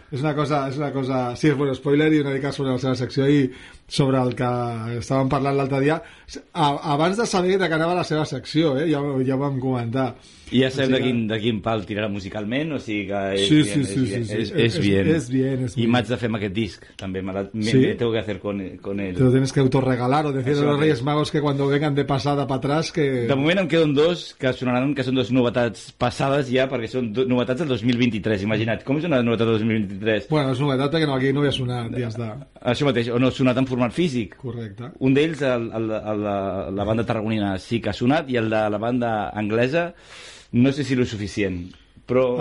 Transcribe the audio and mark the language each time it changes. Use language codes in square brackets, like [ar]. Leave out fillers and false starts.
[ca] És una cosa, sí, és un spoiler i una mica sobre la seva secció i sobre el que estàvem parlant l'altre dia, abans de saber de què anava la seva secció, ja vam comentar. I ja sabem de quin pal tirarà musicalment, o sigui que és bien. I m'haig de fer amb aquest disc, també, [es] me tengo que hacer con él. Te lo tienes que autorregalar, o decir a los Reyes Magos que cuando vengan de pasada para atrás, que... [ca] De moment em queden dos que sonaran, que són dos novetats passades ja, perquè són novetats del 2023, imagina't, com és una novetat del 2023? Bueno, és novetat perquè aquí no havia sonat, ja està. Això mateix, o no sonat en format físic. Correcte. Un d'ells, la banda tarragonina sí que ha sonat, i el de la banda anglesa, no sé si és suficient, però...